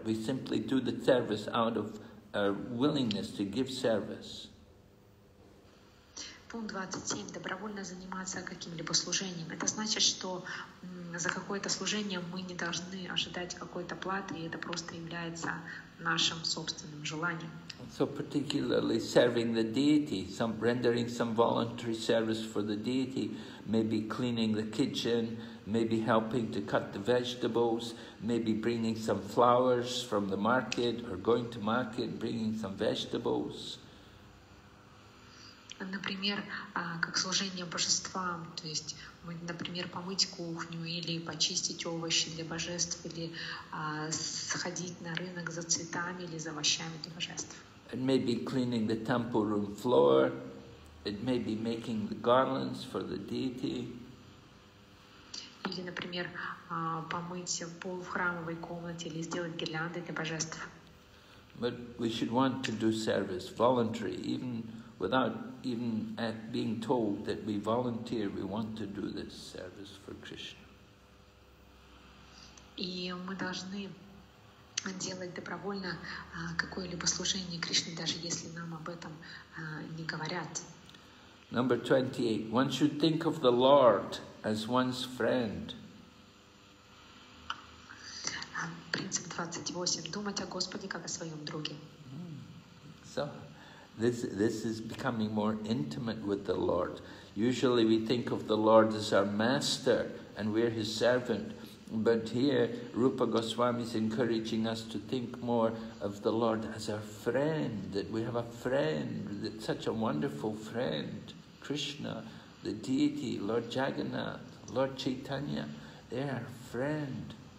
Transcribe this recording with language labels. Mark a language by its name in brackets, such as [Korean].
[English] We simply do the service out of our willingness to give service. [Russian] Пункт 27. Добровольно заниматься каким-либо служением. Это значит, что за какое-то служение мы не должны ожидать какой-то платы, и это просто является нашим собственным желанием. [English] So particularly serving the deity, some rendering some voluntary service for the deity, maybe cleaning the kitchen, maybe helping to cut the vegetables, maybe bringing some flowers from the market or going to market bringing some vegetables. [Russian] Например, как служение божествам, то есть, например, помыть кухню или почистить овощи для божеств или сходить на рынок за цветами или за овощами для божеств. [English] It may be cleaning the temple room floor. It may be making the garlands for the deity. [Russian] Или, например, помыть пол в храмовой комнате или сделать гирлянды для божества. [English] But we should want to do service voluntary, even without even being told that we volunteer, we want to do this service for Krishna. [Russian] И мы должны делать добровольно какое-либо служение Кришне, даже если нам об этом не говорят. [English] Number 28. One should think of the Lord as one's friend. [Russian] Принцип 28. Думать о Господе как о своем друге. [English] So, This is becoming more intimate with the Lord. Usually we think of the Lord as our master and we're his servant. But here, Rupa Goswami is encouraging us to think more of the Lord as our friend, that we have a friend, that such a wonderful friend, Krishna, the deity, Lord Jagannath, Lord Chaitanya, they are our friend.